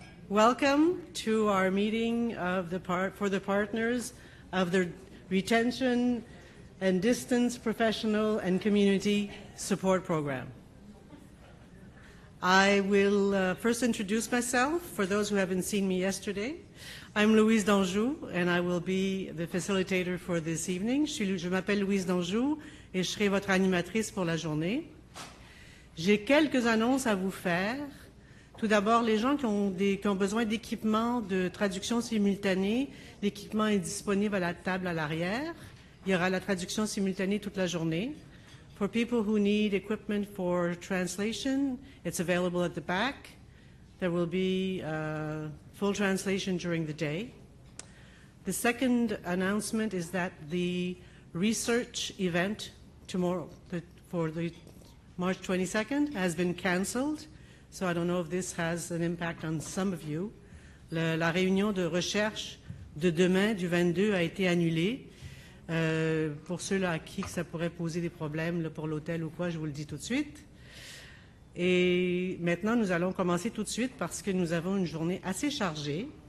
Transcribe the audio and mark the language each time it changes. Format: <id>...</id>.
<en>Welcome to our meeting of the for the partners of the Retention and Distance Professional and Community Support Program. I will first introduce myself for those who haven't seen me yesterday. I'm Louise D'Anjou, and I will be the facilitator for this evening.</en> <fr>Je m'appelle Louise D'Anjou, et je serai votre animatrice pour la journée. J'ai quelques annonces à vous faire. Tout d'abord, les gens qui ont besoin d'équipement de traduction simultanée, l'équipement est disponible à la table à l'arrière. Il y aura la traduction simultanée toute la journée.</fr> <en>For people who need equipment for translation, it's available at the back. There will be full translation during the day. The second announcement is that the research event tomorrow, for March 22nd, has been canceled. So I don't know if this has an impact on some of you.</en> <fr>La réunion de recherche de demain, du 22, a été annulée. Pour ceux-là à qui ça pourrait poser des problèmes là, pour l'hôtel ou quoi, je vous le dis tout de suite. Et maintenant, nous allons commencer tout de suite parce que nous avons une journée assez chargée.</fr>